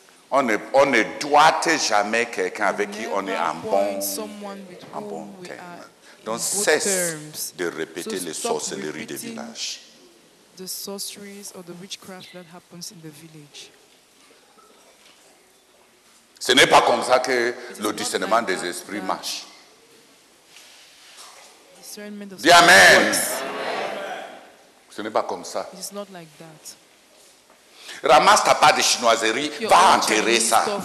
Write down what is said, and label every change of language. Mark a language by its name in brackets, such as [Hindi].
[French] On ne doit jamais quelqu'un avec qui on est en bon terme. Donc cesse de répéter les sorcelleries des villages. [English] The sorceries or the witchcraft that happens in the village. [French] Ce n'est pas comme ça que le discernement des esprits marche. Dis amen. Ce n'est pas comme ça. [English] It's not like that. [French] ramasse ta part de chinoiserie, va enterrer ça.